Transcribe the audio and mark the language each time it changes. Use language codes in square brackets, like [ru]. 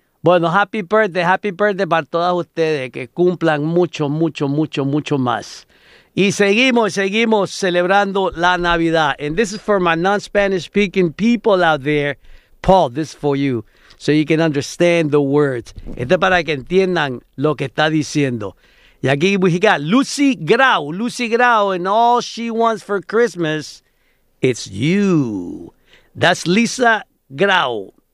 [es] Bueno, happy birthday para todas ustedes, que cumplan mucho, mucho, mucho, mucho más. Y seguimos celebrando la Navidad. [en] And this is for my non-Spanish speaking people out there. Paul, this is for you, so you can understand the words. [es] Este es para que entiendan lo que está diciendo. [en] Y aquí we got Lucy Grau, and all she wants for Christmas, it's you. That's Lisa Grau.